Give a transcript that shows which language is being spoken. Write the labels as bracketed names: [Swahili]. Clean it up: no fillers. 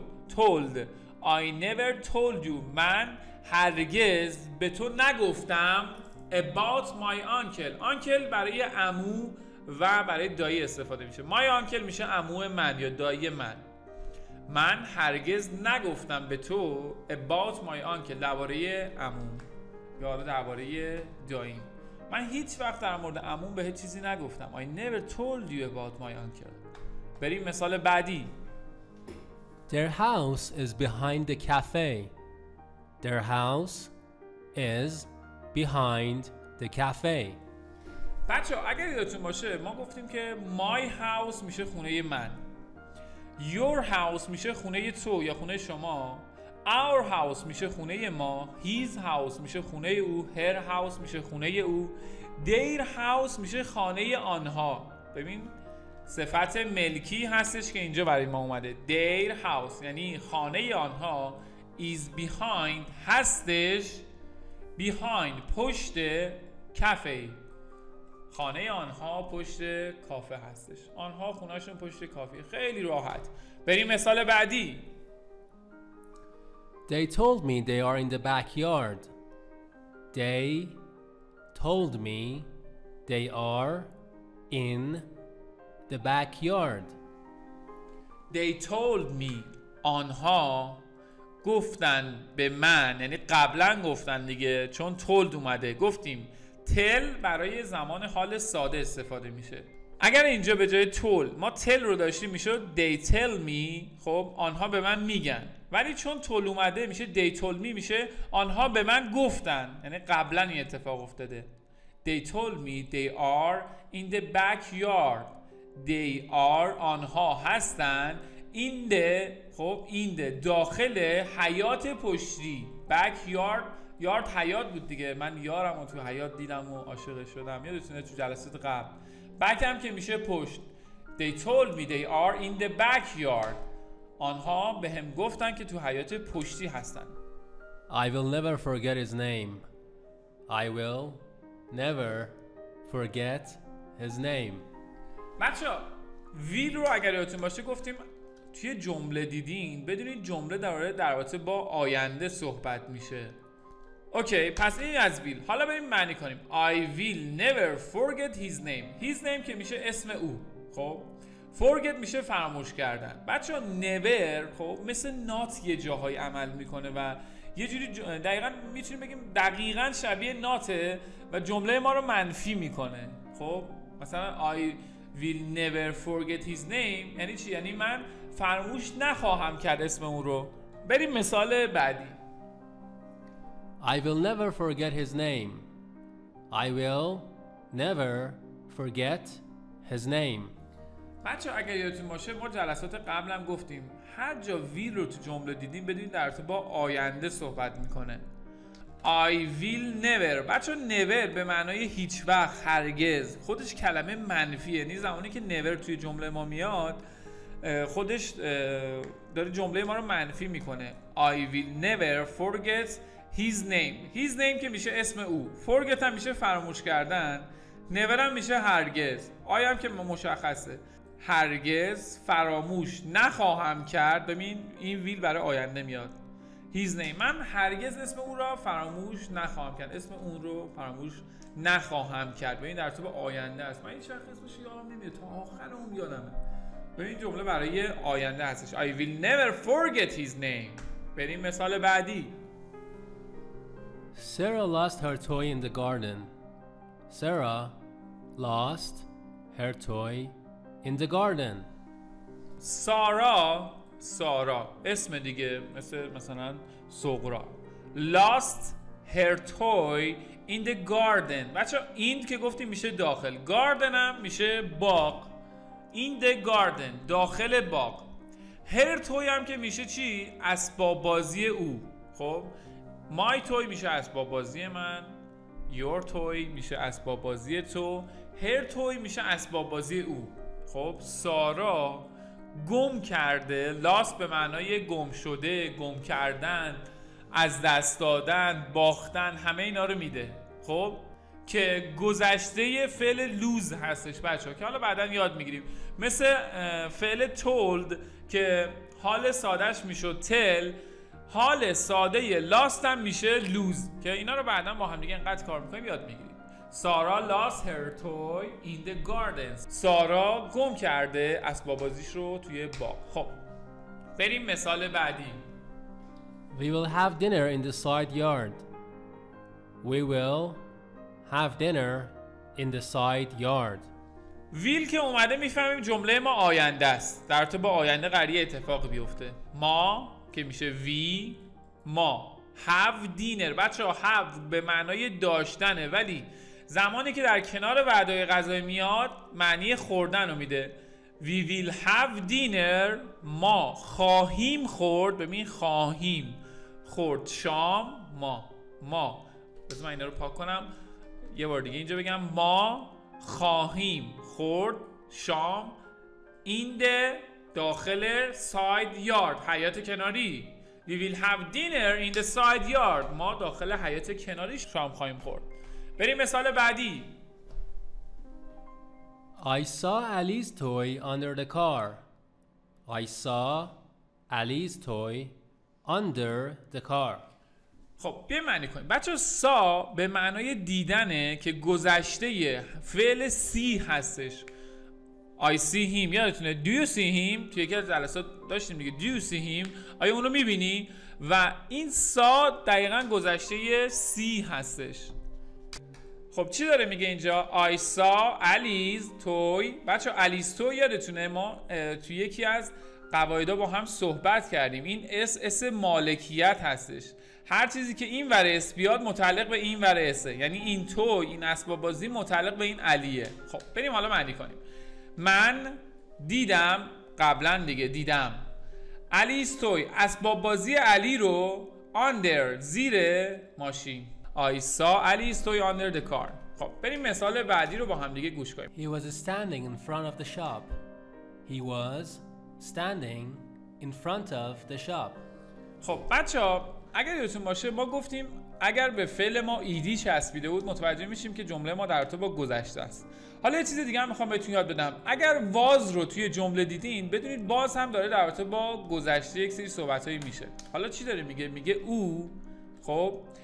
[English] told I never told you [Persian] من هرگز به تو نگفتم [English] about my uncle uncle [Persian] برای عمو و برای دایی استفاده میشه [English] my uncle [Persian] میشه عمو من یا دایی من من هرگز نگفتم به تو [English] about my uncle [Persian] درباره عمو یا درباره دایی من هیچ وقت در مورد عمو به چیزی نگفتم [English] I never told you about my uncle [Persian] بریم مثال بعدی [English] Their house is behind the cafe. Their house is behind the cafe. [Persian] بچه ها اگر یادتون باشه ما گفتیم که [English] my house [Persian] میشه خونه من. [English] Your house [Persian] میشه خونه تو یا خونه شما. [English] Our house [Persian] میشه خونه ما. [English] His house [Persian] میشه خونه او. [English] Her house [Persian] میشه خونه او. [English] Their house [Persian] میشه خانه آنها. ببین؟ صفت ملکی هستش که اینجا برای ما اومده [English] their house [Persian] یعنی خانه آنها [English] is behind [Persian] هستش behind پشت کافه خانه آنها پشت کافه هستش آنها خونهشون پشت کافه خیلی راحت بریم مثال بعدی [English] They told me they are in the backyard They told me they are in The backyard. They told me. [Persian] آنها گفتن به من. یعنی قبلا گفتن دیگه. چون told اومده. گفتیم. Tell برای زمان حال ساده استفاده میشه. اگر اینجا به جای told. ما tell رو داشتیم میشه. [English] They tell me. [Persian] خب آنها به من میگن. ولی چون told اومده میشه. [English] They told me میشه. [Persian] آنها به من گفتن. یعنی قبلا این اتفاق افتاده. [English] They told me. They are in the backyard. They are [Persian] آنها هستن [English] in the [Persian] خب in the داخل حیات پشتی backyard yard حیات بود دیگه من یارم رو تو حیات دیدم و عاشق شدم یادتونه تو جلسه قبل back هم که میشه پشت [English] They told me they are in the backyard [Persian] آنها به هم گفتن که تو حیات پشتی هستن [English] I will never forget his name I will never forget his name [Persian] بچه ها will رو اگر یادتون باشه گفتیم توی جمله دیدین بدونین جمله در رابطه با آینده صحبت میشه اوکی پس این از ویل. حالا بریم معنی کنیم. [English] I will never forget his name. His name [Persian] که میشه اسم او. خب forget میشه فراموش کردن. بچه ها never خب مثل not یه جاهای عمل میکنه و یه جوری دقیقاً میتونیم بگیم دقیقاً شبیه ناته و جمله ما رو منفی میکنه. خب مثلا [English] I will never forget his name [Persian] یعنی چی؟ یعنی من فراموش نخواهم کرد اسم اون رو. بریم مثال بعدی. [English] I will never forget his name. I will never forget his name. [Persian] بچه ها اگر یادتون باشه ما جلسات قبل هم گفتیم هر جا will رو تو جمله دیدیم بدونید در تو با آینده صحبت میکنه. [English] I will never. [Persian] بچه ها never به معنای هیچ وقت، هرگز. خودش کلمه منفیه. یعنی زمانی که never توی جمله ما میاد خودش داره جمله ما رو منفی میکنه. [English] I will never forget his name. His name [Persian] که میشه اسم او. Forget هم میشه فراموش کردن. Never هم میشه هرگز. I هم که مشخصه. هرگز فراموش نخواهم کرد. ببین این will برای آینده میاد. [English] His name. [Persian] من هرگز اسم او را فراموش نخواهم کرد. اسم اون رو فراموش نخواهم کرد. ببین در تو به آینده است. من این شخص اسمش یادم نمیاد. تا آخر اون یادمه. ببین جمله برای آینده هستش. [English] I will never forget his name. [Persian] بریم مثال بعدی. [English] Sarah lost her toy in the garden. Sarah lost her toy in the garden. [Persian] سارا اسم دیگه مثلا سقرا. [English] Lost her toy in the garden. [Persian] بچه این که گفتیم میشه داخل. Garden هم میشه باغ. [English] In the garden [Persian] داخل باغ. [English] Her toy [Persian] هم که میشه چی؟ اسباب بازی او. خب [English] My toy [Persian] میشه اسباب بازی من. [English] Your toy [Persian] میشه اسباب بازی تو. [English] Her toy [Persian] میشه اسباب بازی او. خب سارا گم کرده. Lost به معنای گم شده، گم کردن، از دست دادن، باختن، همه اینا رو میده. خب که گذشته فعل lose هستش بچه ها که حالا بعدا یاد میگیریم. مثل فعل told که حال سادهش میشد tell، حال ساده lost هم میشه lose که اینا رو بعدا با هم دیگه انقدر کار میکنیم یاد میگیریم. سارا [English] lost her toy in the gardens. [Persian] سارا گم کرده اسباب بازیش رو توی باغ. خب بریم مثال بعدی. [English] We will have dinner in the side yard. We will have dinner in the side yard. [Persian] ویل که اومده میفهمیم جمله ما آینده است. در تو با آینده قراره اتفاق بیفته. ما که میشه وی ما. [English] Have dinner. [Persian] بچه have به معنای داشتنه ولی زمانی که در کنار وعده‌های غذایی میاد معنی خوردن رو میده. [English] We will have dinner. [Persian] ما خواهیم خورد. ببین خواهیم خورد شام. ما بذار من اینا رو پاک کنم. یه بار دیگه اینجا بگم ما خواهیم خورد شام [English] in the [Persian] داخل side yard حیات کناری. [English] We will have dinner in the side yard. [Persian] ما داخل حیات کناری شام خواهیم خورد. بریم مثال بعدی. [English] I saw Ali's toy under the car. I saw Ali's toy under the car. [Persian] خب بیا معنی کنیم. بچه سا به معنای دیدنه که گذشته فعل سی هستش. [English] I see him. [Persian] یادتونه [English] Do you see him؟ [Persian] توی یکی از جلسات داشتیم دیگه. Do you see him؟ آیا اونو میبینی؟ و این سا دقیقا گذشته سی هستش. خب چی داره میگه اینجا؟ [English] I saw Ali's toy. [Persian] بچه ها Ali's toy یادتونه ما توی یکی از قواعدا با هم صحبت کردیم. این اس مالکیت هستش. هر چیزی که این ور اس بیاد متعلق به این ور اسه. یعنی این تو، این اسباب بازی متعلق به این علیه. خب بریم حالا معنی کنیم. من دیدم قبلا دیگه دیدم [English] Ali's toy [Persian] اسباب بازی علی رو under زیر ماشین. [English] I saw Ali's toy under the car. [Persian] خب بریم مثال بعدی رو با هم دیگه گوش کنیم. [English] He was standing in front of the shop. He was standing in front of the shop. [Persian] خب بچه ها اگر یادتون باشه ما گفتیم اگر به فعل ما ایدی چسبیده بود متوجه میشیم که جمله ما در ارتباط با گذشته است. حالا یه چیز دیگه هم میخوام بهتون یاد بدم. اگر واز رو توی جمله دیدین بدونید باز هم داره در ارتباط با گذشته یک سری صحبتایی میشه. حالا چی داره میگه؟ میگه او خب